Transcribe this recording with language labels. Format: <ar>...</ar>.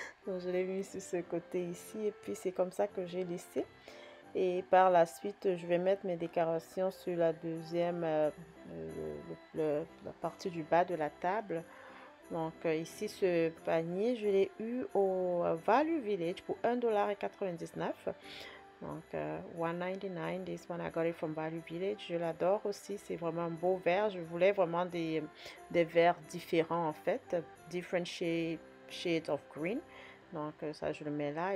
<fr>Donc, je l'ai mis sur ce côté ici et puis c'est comme ça que j'ai lissé. Et par la suite, je vais mettre mes décorations sur la deuxième, la partie du bas de la table. Donc, ici, ce panier, je l'ai eu au Value Village pour 1,99$.</fr> <en>Donc, 1,99$, this one, I got it from Value Village.</en> <fr>Je l'adore aussi, c'est vraiment un beau verre. Je voulais vraiment des verres différents, en fait.</fr> <en>Different shades of green.</en> <fr>Donc, ça, je le mets là.</fr>